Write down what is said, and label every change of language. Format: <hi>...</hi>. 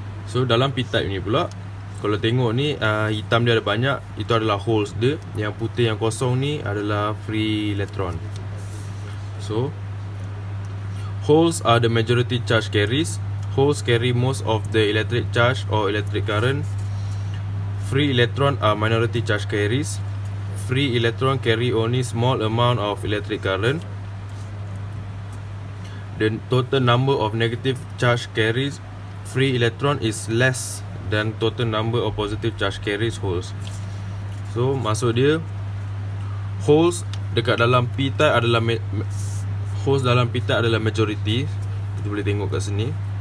<ms>So dalam P type ni pula, kalau tengok ni, hitam dia ada banyak, itu adalah holes dia. Yang putih yang kosong ni adalah free electron.</ms> <en>So holes are the majority charge carriers. Holes carry most of the electric charge or electric current. Free electron are minority charge carriers. Free electron carry only small amount of electric current. The total number of negative charge carriers free electron is less than total number of positive charge carriers holes.</en> <ms>So maksud dia, holes dekat dalam P type adalah holes dalam P type adalah majority. Kita boleh tengok kat sini.</ms>